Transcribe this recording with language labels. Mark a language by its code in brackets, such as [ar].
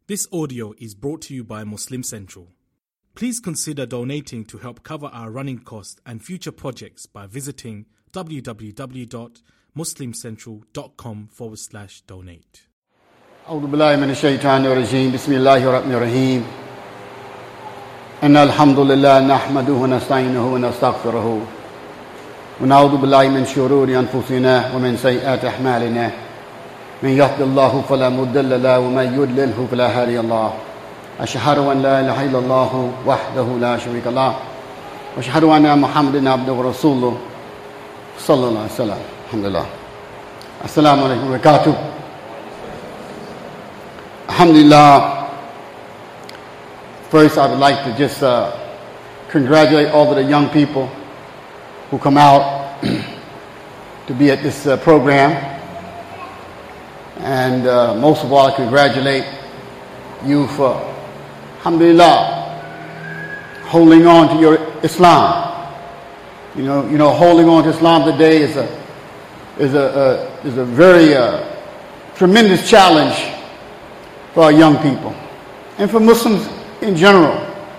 [en] This audio is brought to you by Muslim Central. Please consider donating to help cover our running costs and future projects by visiting www.muslimcentral.com/donate. [ar] أعوذ بالله من الشيطان الرجيم بسم الله الرحمن الرحيم إن الحمد لله نحمده ونستعينه ونستغفره ونعوذ بالله من شرور أنفسنا ومن سيئات أعمالنا من يهد الله فلا مضل له ومن يضلل فلا هادي له أشهد أن لا إله إلا الله وحده لا شريك له وأشهد أن محمدا عبده ورسوله صلى الله عليه وسلم الحمد لله السلام عليكم وبركاته الحمد لله [en] First I would like to just congratulate all of the young people who come out to be at this program. And most of all, I congratulate you for, alhamdulillah, holding on to your Islam. You know, holding on to Islam today is a very tremendous challenge for our young people, and for Muslims in general.